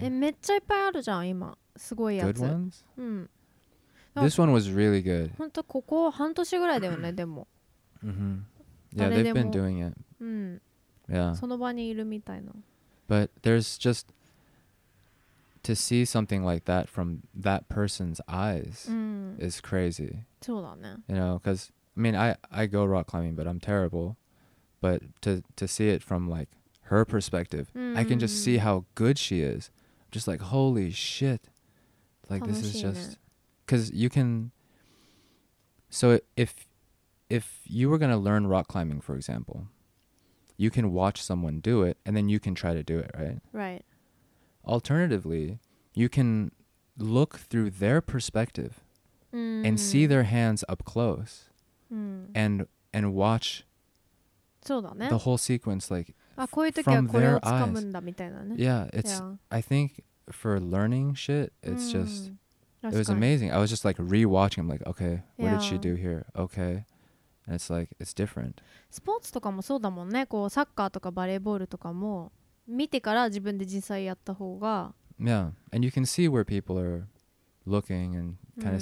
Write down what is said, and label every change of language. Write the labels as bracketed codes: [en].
[ja] え、めっちゃいっぱいあるじゃん、今。すごいやつ。 [en] Good ones? [ja] うん。 [en] This one was really good. [ja] 本当ここ半年ぐらいだよね、でも。 [en] Yeah, they've been doing it. Yeah. [ja] その場にいるみたいな。 [en] But there's just to see something like that from that person's eyes is crazy. そうだね。 You know, because I mean, I go rock climbing, but I'm terrible. But to see it from like her perspective, I can just see how good she is. Just like holy shit, like this is just. Because you can, so if you were going to learn rock climbing, for example, you can watch someone do it and then you can try to do it, right? Right. Alternatively, you can look through their perspective、 mm. and see their hands up close、mm. and watch [ja] そうだね。 [en] the whole sequence like [ja] あ、こういう時はこれを掴むんだみたいなね。 [en] Yeah, it's, yeah. I think for learning shit, it's、mm. just... It was amazing. I was just like re-watching. I'm like, okay, what、yeah. did she do here? Okay. And it's like, it's different. [ja] スポーツとかもそうだもんね。こうサッカーとかバレーボールとかも見てから自分で実際やった方が。 [en] Yeah. And you can see where people are looking and kind of、mm.